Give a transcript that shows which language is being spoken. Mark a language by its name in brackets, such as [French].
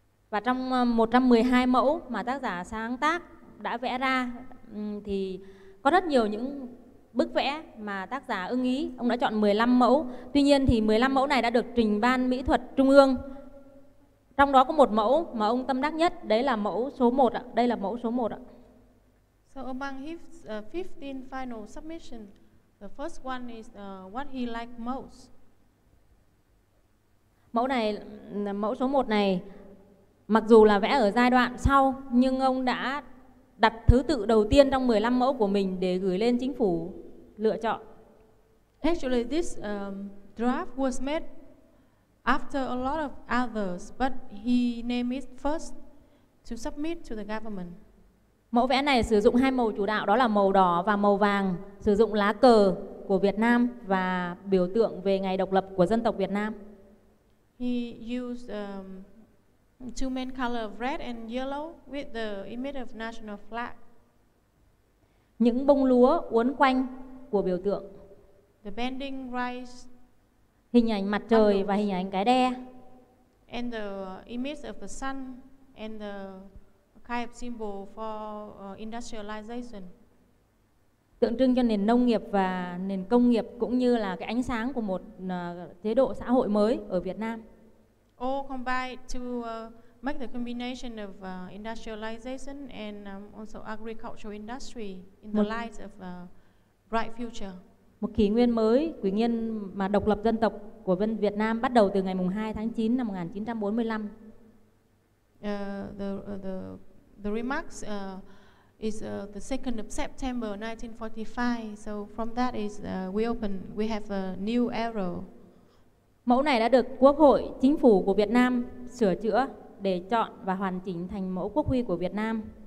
[Vietnamese] Và trong 112 mẫu mà tác giả sáng tác đã vẽ ra thì có rất nhiều những bức vẽ mà tác giả ưng ý, ông đã chọn 15 mẫu. Tuy nhiên thì 15 mẫu này đã được trình Ban Mỹ thuật Trung ương. Trong đó có một mẫu mà ông tâm đắc nhất, đấy là mẫu số 1 ạ. Đây là mẫu số 1 ạ. [English] So among his 15 final submission, the first one is what he liked most. [Vietnamese] Mẫu này, mẫu số 1 này mặc dù là vẽ ở giai đoạn sau, nhưng ông đã đặt thứ tự đầu tiên trong 15 mẫu của mình để gửi lên chính phủ lựa chọn. [English] Actually, this draft was made after a lot of others, but he named it first to submit to the government. [Vietnamese] Mẫu vẽ này sử dụng hai màu chủ đạo, đó là màu đỏ và màu vàng, sử dụng lá cờ của Việt Nam và biểu tượng về ngày độc lập của dân tộc Việt Nam. [English] He used two main color of red and yellow with the image of national flag. [Vietnamese] Những bông lúa uốn quanh của biểu tượng. [English] The bending rice. [Vietnamese] Hình ảnh mặt trời và hình ảnh cái đe. [English] And the image of the sun and the kind of symbol for industrialization. [Vietnamese] Tượng trưng cho nền nông nghiệp và nền công nghiệp cũng như là cái ánh sáng của một chế độ xã hội mới ở Việt Nam. [English] All combined to make the combination of industrialization and also agricultural industry in the light of a bright future. [Vietnamese] Một kỷ nguyên mới, kỷ nguyên mà độc lập dân tộc của Việt Nam bắt đầu từ ngày 2 tháng 9 năm 1945. [English] The remarks is the 2nd of September 1945. So from that is we have a new era. [Vietnamese] Mẫu này đã được Quốc hội, Chính phủ của Việt Nam sửa chữa để chọn và hoàn chỉnh thành mẫu quốc huy của Việt Nam.